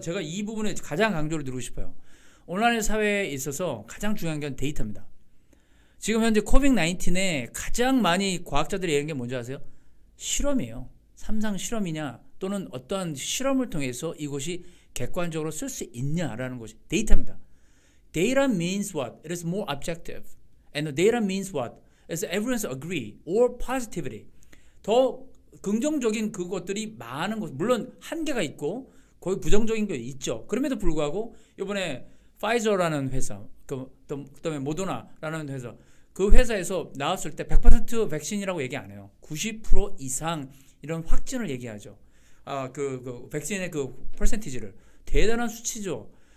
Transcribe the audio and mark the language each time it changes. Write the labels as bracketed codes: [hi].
[ko] 제가 이 부분에 가장 강조를 드리고 싶어요. 온라인 사회에 있어서 가장 중요한 건 데이터입니다. 지금 현재 COVID-19에 가장 많이 과학자들이 얘기한 게 뭔지 아세요? 실험이에요. 삼상 실험이냐 또는 어떠한 실험을 통해서 이것이 객관적으로 쓸 수 있냐라는 것이 데이터입니다. [en] Data means what? It is more objective. And the data means what? It's everyone's agree or positivity. [ko] 더 긍정적인 그것들이 많은 것, 물론 한계가 있고 거의 부정적인 게 있죠. 그럼에도 불구하고 이번에 파이저라는 회사, 그다음에 모더나라는 회사, 그 회사에서 나왔을 때 100% 백신이라고 얘기 안 해요. 90% 이상 이런 확진을 얘기하죠. 그 백신의 그 퍼센티지를 대단한 수치죠.